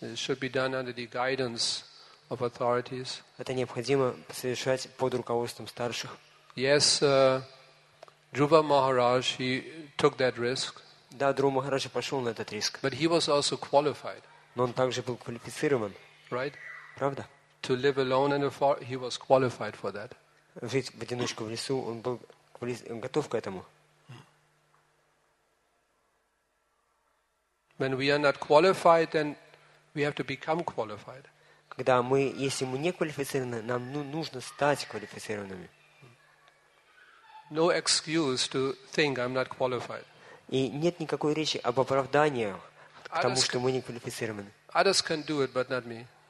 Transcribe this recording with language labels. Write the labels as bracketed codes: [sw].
[ru] Это необходимо совершать под руководством старших. [en] Yes, Dhruva Maharaj, he took that risk. [ru] Да, Друва Махараджа пошел на этот риск. [en] But he was also qualified. [ru] Но он также был квалифицирован. [en] Right? [ru] Правда? [en] To live alone in the forest, he was qualified for that. [ru] Жить в одиночку в лесу, он был готов к этому. [en] When we are not qualified, then we have to become qualified. [ru] Когда мы, если мы не квалифицированы, нам нужно стать квалифицированными. [en] No excuse to think I'm not qualified. [ru] И нет никакой речи об оправдании к тому, что мы не квалифицированы. [en] Others can do it, but not me.